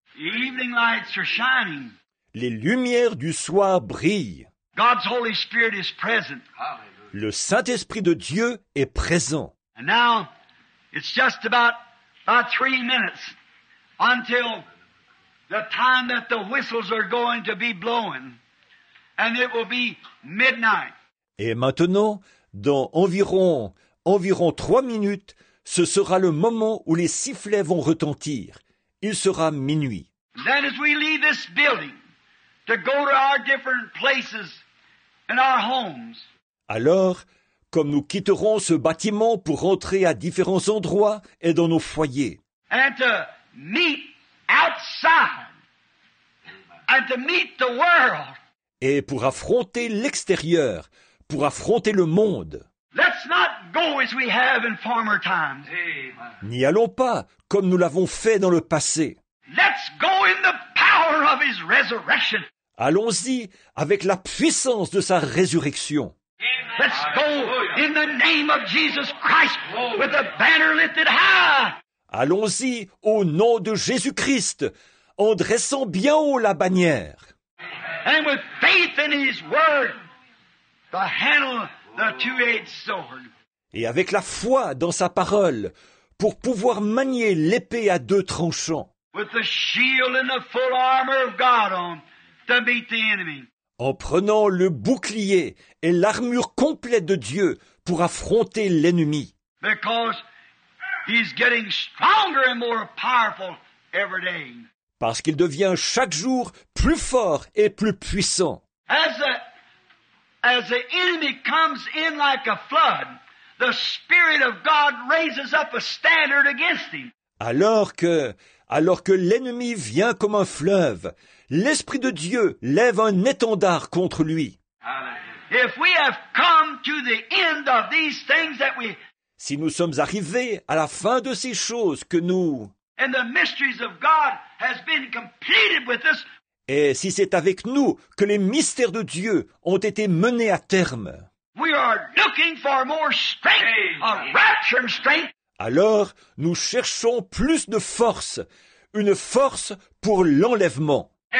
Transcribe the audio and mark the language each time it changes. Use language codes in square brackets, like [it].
[en] Evening lights are shining. [fr] Les lumières du soir brillent. [en] God's Holy Spirit is present. [fr] Le Saint-Esprit de Dieu est présent. [en] And now, it's just about 3 minutes until the time that the whistles are going to be blowing, and it will be midnight. [fr] Et maintenant, dans environ 3 minutes, ce sera le moment où les sifflets vont retentir. Il sera minuit. [en] Then as we leave this building to go to our different places and our homes. [fr] Alors, comme nous quitterons ce bâtiment pour rentrer à différents endroits et dans nos foyers. [en] And to meet outside. And to meet the world. [fr] Et pour affronter l'extérieur, pour affronter le monde. [en] Let's not go as we have in former times. [fr] N'y allons pas comme nous l'avons fait dans le passé. [en] Let's go in the power of his resurrection. [fr] Allons-y avec la puissance de sa résurrection. [en] Let's go in the name of Jesus Christ with the banner lifted high. [fr] Allons-y au nom de Jésus-Christ en dressant bien haut la bannière. [en] And with faith in his word, the handle. The two-edged sword. [fr] Et avec la foi dans sa parole, pour pouvoir manier l'épée à deux tranchants. [en] With the shield and the full armor of God on, to meet the enemy. [fr] en prenant le bouclier et l'armure complète de Dieu pour affronter l'ennemi. [en] Because he's getting stronger and more powerful every day. [fr] Parce qu'il devient chaque jour plus fort et plus puissant. [en] As the enemy comes in like a flood, the Spirit of God raises up a standard against him. [fr] Alors que l'ennemi vient comme un fleuve, l'Esprit de Dieu lève un étendard contre lui. [en] If we have come to the end of these things that we... [fr] Si nous sommes arrivés à la fin de ces choses que nous... [en] And the mysteries of God has been completed with us. [fr] Et si c'est avec nous que les mystères de Dieu ont été menés à terme, [en] we are looking for more strength, a rapture and strength. [fr] Alors nous cherchons plus de force, une force pour l'enlèvement.